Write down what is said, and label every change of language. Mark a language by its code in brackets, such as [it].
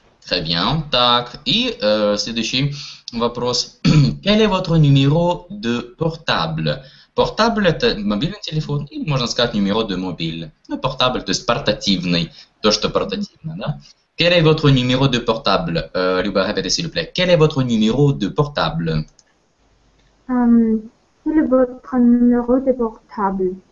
[fr] Très bien, так. [ru] И следующий вопрос. [fr] Quel est votre numéro de portable? [ru] Portable, это мобильный телефон, и можно сказать [fr] numéro de mobile. [ru] Ну, portable, то есть портативный, то, что портативно, да? [fr] Quel est votre numéro de portable? Люба, répétez, s'il vous plaît. Quel est votre numéro de portable? Quel est votre numéro de portable?